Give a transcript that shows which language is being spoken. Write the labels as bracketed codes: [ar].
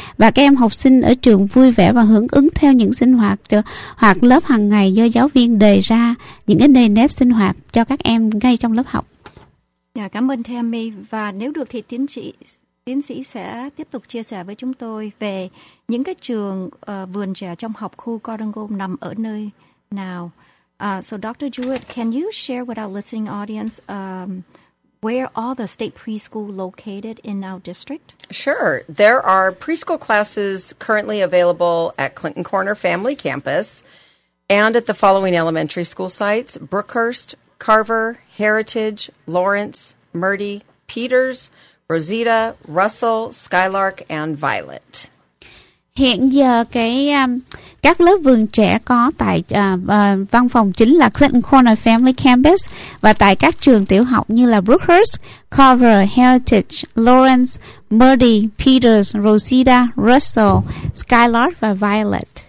[vi] Và các em học sinh ở trường vui vẻ và hưởng ứng theo những sinh hoạt hoặc lớp hàng ngày do giáo viên đề ra những cái nề nếp sinh hoạt cho các em ngay trong lớp học. Dạ, cảm ơn Tammy. Và nếu được thì tiến sĩ sẽ tiếp tục chia sẻ với chúng tôi về những cái trường vườn trẻ trong học khu Garden Grove nằm ở nơi nào. [en] So Dr. Jewett, can you share with our listening audience where are the state preschool located in our district? Sure. There are preschool classes currently available at Clinton Corner Family Campus and at the following elementary school sites: Brookhurst, Carver, Heritage, Lawrence, Murdy, Peters, Rosita, Russell, Skylark, and Violet. [vi] Hiện giờ các lớp vườn trẻ có tại văn phòng chính là Clinton Corner Family Campus và tại các trường tiểu học như là Brookhurst, Carver, Heritage, Lawrence, Murdy, Peters, Rosita, Russell, Skylark và Violet.